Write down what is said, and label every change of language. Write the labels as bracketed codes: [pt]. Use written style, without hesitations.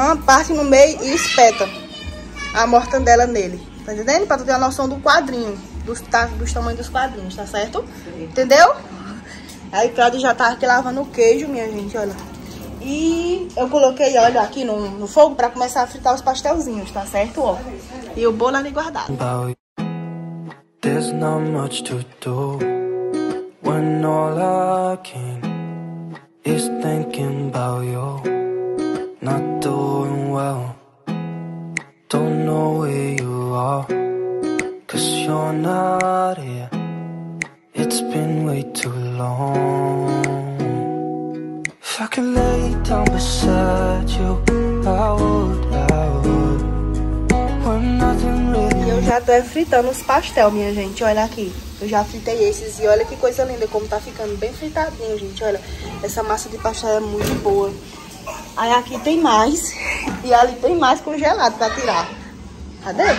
[pt] Parte no meio e espeta a mortandela nele. Tá entendendo? Pra tu ter a noção do quadrinho. Dos tamanhos dos quadrinhos, tá certo? Sim. Entendeu? Aí o Claudio já tá aqui lavando o queijo, minha gente, olha. E eu coloquei, olha, aqui no fogo pra começar a fritar os pastelzinhos, tá certo? Ó. E o bolo ali guardado. [en] There's not much to do when all I can is thinking about you. Not doing well. Don't know where you are, 'cause you're not here. It's been way too long. If I could lay down beside you, I would, I would. When nothing really. [pt] Eu já tô fritando os pastel, minha gente, olha aqui. Eu já fritei esses e olha que coisa linda como tá ficando bem fritadinho, gente. Olha, essa massa de pastel é muito boa. Aí aqui tem mais e ali tem mais congelado pra tirar. Cadê?